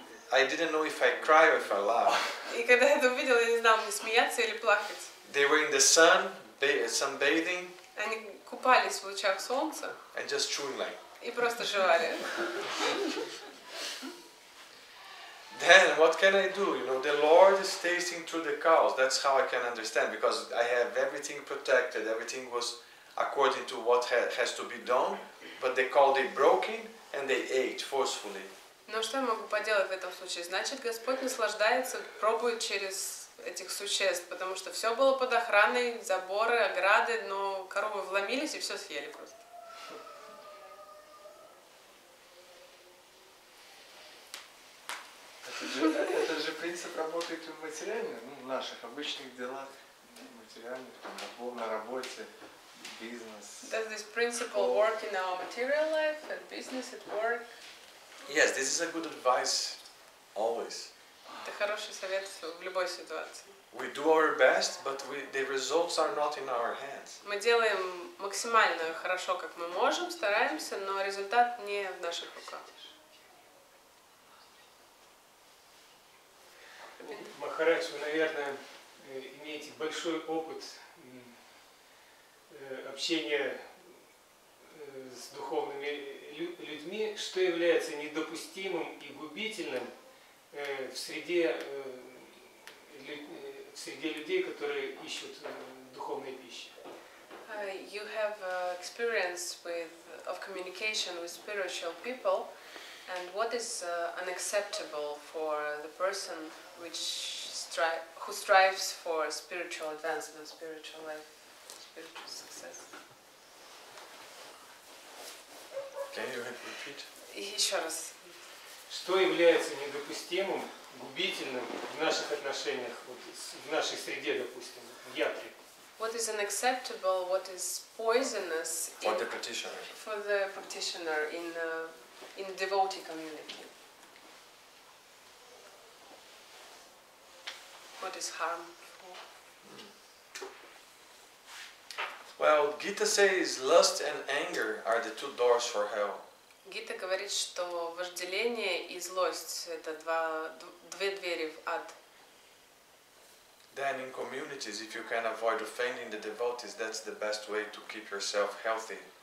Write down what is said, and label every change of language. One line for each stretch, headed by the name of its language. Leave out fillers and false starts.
English: I didn't know if I cry or if I laugh.
Russian: И когда я это увидел, я не знал, мне смеяться или плакать.
English: They were in the sun, sunbathing.
Russian: Они купались в лучах солнца.
English: And just chewing like.
Russian: И просто жевали.
English: Then what can I do? You know, the Lord is tasting through the cows. That's how I can understand, because I have everything protected. Everything was according to what has to be done. But the cow, they broke in and they ate forcefully.
Russian: Но что я могу поделать в этом случае? Значит, Господь наслаждается, пробует через этих существ, потому что все было под охраной, заборы, ограды, но коровы вломились и все съели просто. Это же принцип работает и в материальных, ну, в наших обычных делах, материальных, там, на работе. Бизнес.
English: Does this principle work in our material life and business at work? Yes, this is a good advice, always.
Russian: Это хороший совет в любой ситуации.
English: We do our best, but the results are not in our hands.
Russian: Мы делаем максимально хорошо, как мы можем, стараемся, но результат не в наших руках. Махарадж, вы, наверное, имеете большой опыт общения с духовными людьми, что является недопустимым и губительным в среде людей, которые ищут духовной пищи.
English: You have experience with of communication with spiritual people. And what is unacceptable for the person who strives for spiritual advancement, spiritual life, spiritual success? Can you repeat?
Russian: Еще раз. Что является недопустимым, губительным в наших отношениях, вот, в нашей среде, допустим, в ятре?
English: What is unacceptable, what is poisonous for the practitioner? For the practitioner in the in the devotee community. What is harmful? Well, Gita says lust and anger are the two doors for hell.
Russian: Гита говорит, что вожделение и злость это две двери в ад.
English: Then in communities, if you can avoid offending the devotees, that's the best way to keep yourself healthy.